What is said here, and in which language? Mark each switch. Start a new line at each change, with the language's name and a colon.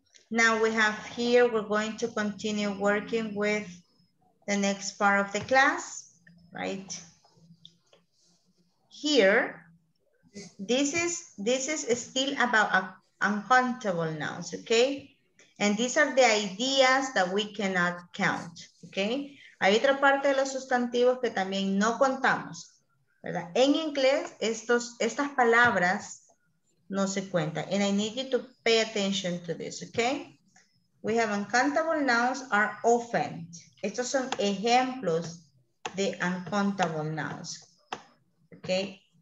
English: Now we have here, we're going to continue working with the next part of the class, right? Here, this is still about uncountable nouns, okay? And these are the ideas that we cannot count, okay?
Spanish: Hay otra parte de los sustantivos que también no contamos, ¿verdad? En inglés, estas palabras no se cuentan.
English: And I need you to pay attention to this, okay? We have uncountable nouns are often.
Spanish: Estos son ejemplos de
English: uncountable nouns, okay?